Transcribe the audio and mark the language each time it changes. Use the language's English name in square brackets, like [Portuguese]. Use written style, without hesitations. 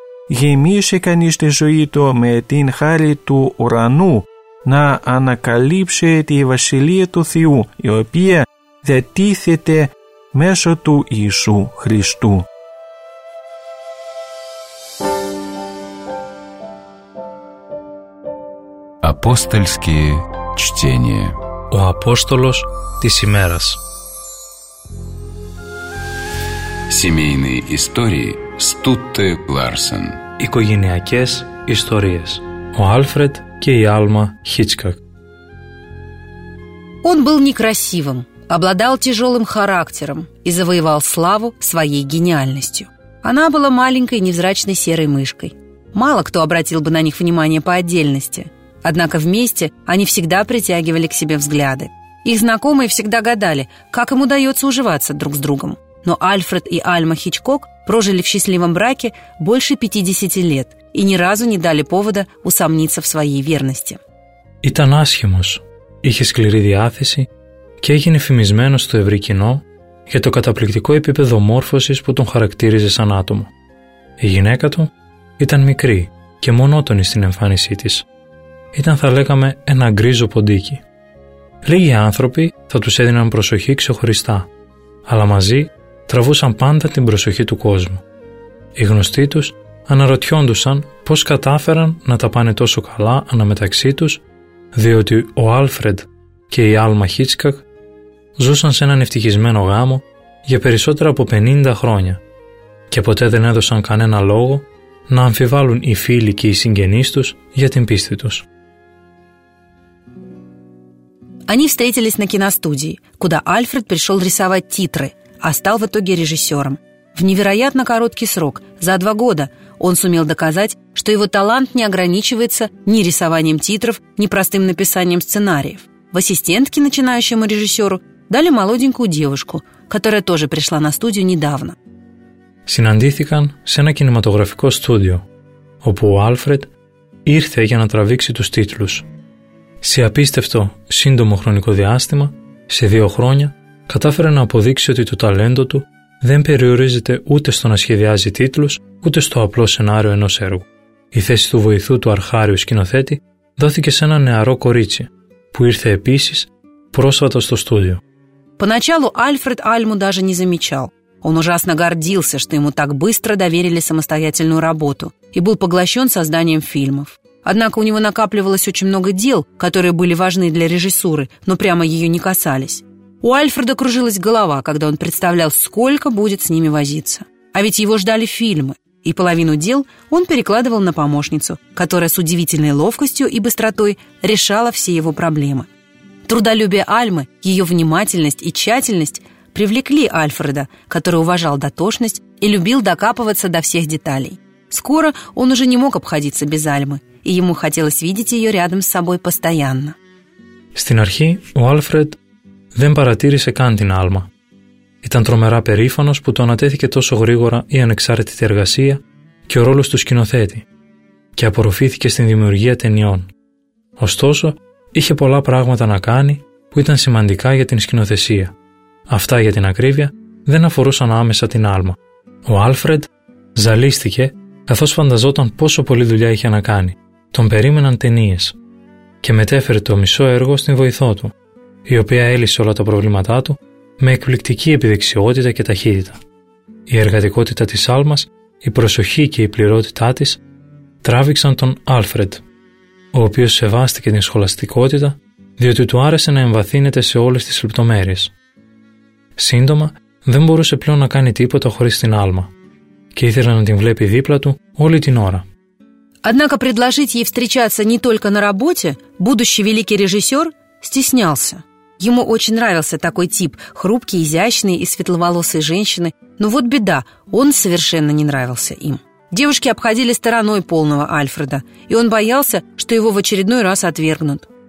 [Greek] γεμίσει κανείς τη ζωή του με την χάρη του ουρανού, να ανακαλύψει τη Βασιλεία του Θεού, η οποία διατίθεται μέσω του Ιησού Χριστού. [Russian] Апостольские чтения. [Greek] Ο Апостолος της ημέρας. [Russian] Семейные истории Стутте Ларсен. [Greek] Οικογενειακές ιστορίες. Ο Άλφρεντ και η Άλμα Хичкок. [Russian] Он был некрасивым, обладал тяжелым характером и завоевал славу своей гениальностью. Она была маленькой невзрачной серой мышкой. Мало кто обратил бы на них внимание по отдельности. Однако вместе они всегда притягивали к себе взгляды. Их знакомые всегда гадали, как им удается уживаться друг с другом. Но Альфред и Альма Хичкок прожили в счастливом браке больше 50 лет и ни разу не дали повода усомниться в своей верности. [Greek] Ήταν άσχημος, είχε σκληρή διάθεση και έγινε φημισμένος στο ευρύ κοινό για το καταπληκτικό επίπεδο μόρφωσης που τον χαρακτήριζε σαν άτομο. Η γυναίκα του ήταν μικρή και μονότονη στην εμφάνισή της. Ήταν, θα λέγαμε, ένα γκρίζο ποντίκι. Λίγοι άνθρωποι θα τους έδιναν προσοχή ξεχωριστά, αλλά μαζί τραβούσαν πάντα την προσοχή του κόσμου. Οι γνωστοί τους αναρωτιόντουσαν πώς κατάφεραν να τα πάνε τόσο καλά αναμεταξύ τους, διότι ο Άλφρεντ και η Άλμα Χίτσκακ ζούσαν σε έναν ευτυχισμένο γάμο για περισσότερα από 50 χρόνια και ποτέ δεν έδωσαν κανένα λόγο να αμφιβάλλουν οι φίλοι και οι συγγενείς τους για την πίστη τους. [Russian] Они встретились на киностудии, куда Альфред пришел рисовать титры, а стал в итоге режиссером. В невероятно короткий срок, за 2 года, он сумел доказать, что его талант не ограничивается ни рисованием титров, ни простым написанием сценариев. В ассистентке начинающему режиссеру дали молоденькую девушку, которая тоже пришла на студию недавно. [Greek] Συναντήθηκαν σε ένα κινηματογραφικό στούντιο, όπου ο Άλφρεντ ήρθε για να τραβήξει τους τίτλους. Σε απίστευτο σύντομο χρονικό διάστημα, σε 2 χρόνια, κατάφερε να αποδείξει ότι το ταλέντο του δεν περιορίζεται ούτε στο να σχεδιάζει τίτλους, ούτε στο απλό σενάριο ενός έργου. Η θέση του βοηθού του αρχάριου σκηνοθέτη δόθηκε σε ένα νεαρό κορίτσι, που ήρθε επίσης πρόσφατα στο στούντιο. [Russian] Поначалу Альфред Альму даже не замечал. Он ужасно гордился, что ему так быстро доверили самостоятельную работу и был поглощен созданием фильмов. Однако у него накапливалось очень много дел, которые были важны для режиссуры, но прямо ее не касались. У Альфреда кружилась голова, когда он представлял, сколько будет с ними возиться. А ведь его ждали фильмы, и половину дел он перекладывал на помощницу, которая с удивительной ловкостью и быстротой решала все его проблемы. Трудолюбие Альмы, ее внимательность и тщательность привлекли Альфреда, который уважал дотошность и любил докапываться до всех деталей. Скоро он уже не мог обходиться без Альмы, и ему хотелось видеть ее рядом с собой постоянно. [Greek] Στην αρχή ο Άλφρεντ δεν παρατήρησε καν την Άλμα. Ήταν τρομερά περήφανος που το ανατέθηκε τόσο γρήγορα η ανεξάρτητη εργασία και ο ρόλος του σκηνοθέτη και απορροφήθηκε στην δημιουργία ταινιών. Ωστόσο, είχε πολλά πράγματα να κάνει που ήταν σημαντικά για την σκηνοθεσία. Αυτά για την ακρίβεια δεν αφορούσαν άμεσα την Άλμα. Ο Άλφρεντ ζαλίστηκε καθώς φανταζόταν πόσο πολλή δουλειά είχε να κάνει. Τον περίμεναν ταινίες και μετέφερε το μισό έργο στην βοηθό του, η οποία έλυσε όλα τα προβλήματά του με εκπληκτική επιδεξιότητα και ταχύτητα. Η εργατικότητα της Άλμας, η προσοχή και η πληρότητά της τράβηξαν τον Άλφρεντ, ο οποίος σεβάστηκε την σχολαστικότητα διότι του άρεσε να εμβαθύνεται σε όλες τις λεπτομέρειες. Σύντομα, δεν μπορούσε πλέον να κάνει τίποτα χωρίς την Άλμα και ήθελε να την βλέπει δίπλα του όλη την ώρα. [Russian] Однако предложить ей встречаться не только на работе будущий великий режиссер стеснялся. Ему очень нравился такой тип – хрупкие, изящные и светловолосые женщины. Но вот беда – он совершенно не нравился им. Девушки обходили стороной полного Альфреда, и он боялся, что его в очередной раз отвергнут.